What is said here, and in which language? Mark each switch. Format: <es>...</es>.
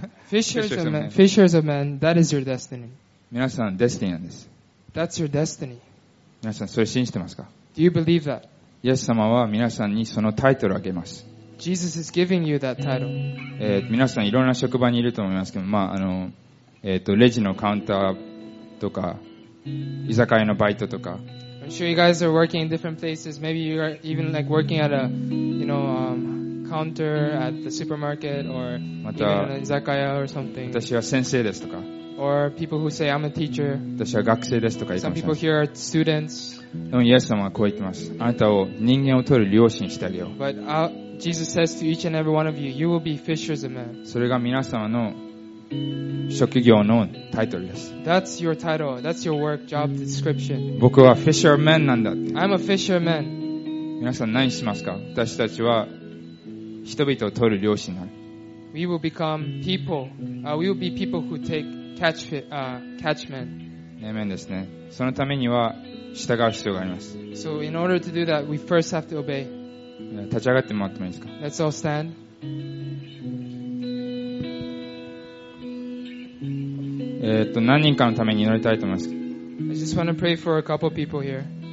<en>Fishers of men, that is your destiny.</en> <ja>皆さん、デスティニーなんです。</ja> <en>That's your destiny.</en> <ja>皆さん、それ信じてますか?</ja> <en>Do you believe that?</en> <ja>イエス様は皆さんにそのタイトルをあげます。</ja> <en>Jesus is giving you that title.</en> <ja>皆さん、いろんな職場にいると思いますけど、まあ、レジのカウンターとか、居酒屋のバイトとか。</ja> <en>I'm sure you guys are working in different places. Maybe you are even like working at a, you know, counter at the supermarket or even an 居酒屋 or something.</en> <ja>私は先生ですとか。</ja> <en>Or people who say, I'm a teacher.</en> <ja>私は学生ですとか。</ja> <en>Some people here are students.</en> <ja>でもイエス様はこう言ってます。あなたを人間を取る漁師にしてあげよう。</ja> <en>But Jesus says to each and every one of you, you will be fishers of men.</en> <ja>それが皆様の職業のタイトルです。</ja> <en>That's your title. That's your work job description.</en> <ja>僕は fisherman なんだって。</ja> <en>I'm a fisherman.</en> <ja>皆さん何しますか? 私たちは人々を取る漁師になる。</ja> <en>We will become people. We will be people who take catch men.</en> <ja>アーメンですね。そのためには従う必要があります。</ja> <en>So in order to do that, we first have to obey.</en> <ja>立ち上がってもらってもいいですか?</ja> <en>Let's all stand.</en> <ja>何人かのために祈りたいと思います。</ja> <en>I just want to pray for a couple people here.</en>